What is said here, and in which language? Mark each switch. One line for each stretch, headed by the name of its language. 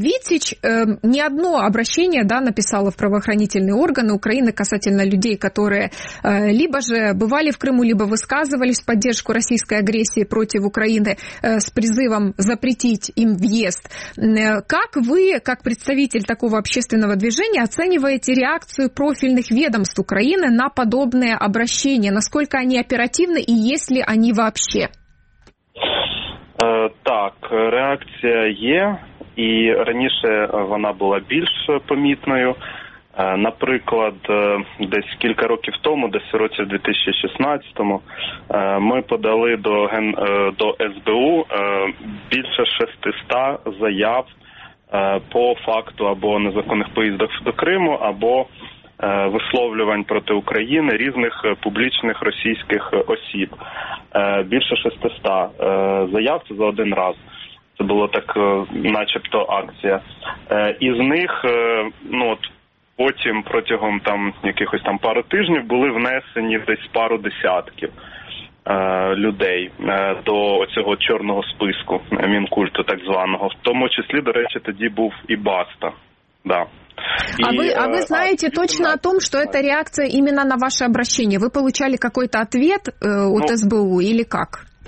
Russian: ВИЦИЧ не одно обращение, да, написало в правоохранительные органы Украины касательно людей, которые либо же бывали в Крыму, либо высказывались в поддержку российской агрессии против Украины с призывом запретить им въезд. Как вы, как представитель такого общественного движения, оцениваете реакцию профильных ведомств Украины на подобные обращения? Насколько они оперативны и есть ли они вообще?
Ukrainian: Так, реакція є, і раніше вона була більш помітною. Наприклад, десь кілька років тому, десь у році 2016-му, ми подали до СБУ більше 600 заяв по факту або незаконних поїздок до Криму, або висловлювань проти України різних публічних російських осіб. Більше 600 заяв, це за один раз. Це було так начебто акція. Із них, ну от, потім протягом там якихось там пару тижнів були внесені десь пару десятків людей до оцього чорного списку Мінкульту так званого. В тому числі, до речі, тоді був і Баста.
Russian: Да. А ви знаете точно о том, что это реакция именно на ваше обращение? Вы получали какой-то ответ от СБУ или как?